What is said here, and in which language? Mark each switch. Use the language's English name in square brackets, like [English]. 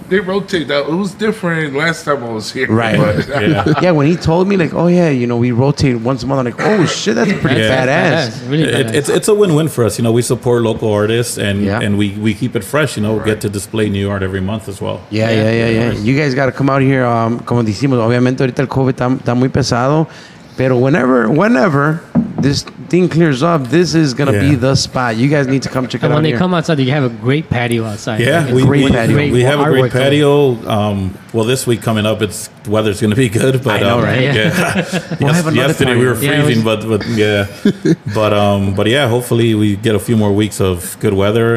[English] they rotate that. It was different last time I was here. Right. Yeah, when he told me, like, oh, yeah, you know, we rotate once a month, I'm like, oh, shit, that's pretty badass. It's a win-win for us. You know, we support local artists, and we keep it fresh. You know, we get to display new art every month as well. Yeah. You guys got to come out here. [Spanish] Como decimos, obviamente, ahorita el COVID está muy pesado. [English] Pero whenever this thing clears up, this is going to be the spot. You guys need to come check it out. And when they come outside, you have a great patio outside. Yeah, we have a great patio. Well, this week coming up, the weather's going to be good. But, I know, right? Yeah. yesterday we were freezing, but yeah, hopefully we get a few more weeks of good weather.